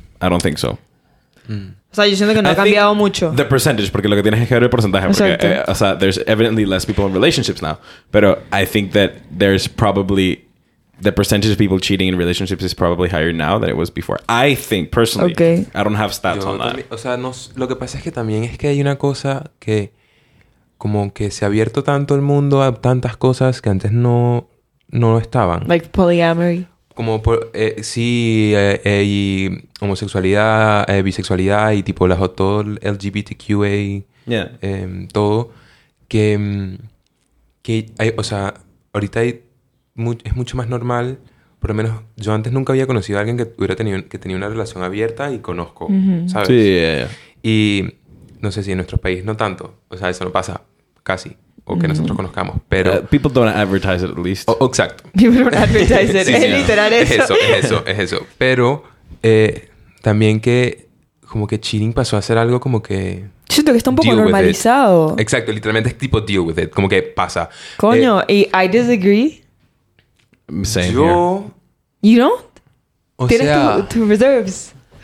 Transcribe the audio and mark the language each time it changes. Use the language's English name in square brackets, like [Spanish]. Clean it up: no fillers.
[English] I don't think so. [Spanish] Mm. O sea, yo siento que no ha cambiado mucho. [English] The percentage, [Spanish] porque lo que tienes es que ver el porcentaje. Porque, o sea, [English] there's evidently less people in relationships now. Pero I think that there's probably... The percentage of people cheating in relationships is probably higher now than it was before. I think, personally. Okay. I don't have stats on that. [Spanish] O sea, no, lo que pasa es que también es que hay una cosa que... Como que se ha abierto tanto el mundo a tantas cosas que antes no estaban. [English] Like polyamory. [Spanish] Como por, y homosexualidad, bisexualidad y tipo las todo LGBTQA, [English] yeah. [Spanish] Todo. Que hay, o sea, ahorita es mucho más normal. Por lo menos yo antes nunca había conocido a alguien que tenía una relación abierta y conozco, mm-hmm. ¿sabes? Sí, yeah. Y no sé si en nuestros países no tanto. O sea, eso no pasa casi. O que nosotros conozcamos, pero... [English] People don't advertise it, at least. [Spanish] Oh, exacto. [English] People don't advertise it. [Spanish] Sí, es literal eso. Es eso. Pero también que como que cheating pasó a ser algo como que... Yo siento que está un poco normalizado. Exacto. Literalmente es tipo [English] deal with it. [Spanish] Como que pasa. Coño, ¿y [English] I disagree? Same [Spanish] yo... [English] here. You don't? [Spanish] O tienes sea... Tienes tu reserves.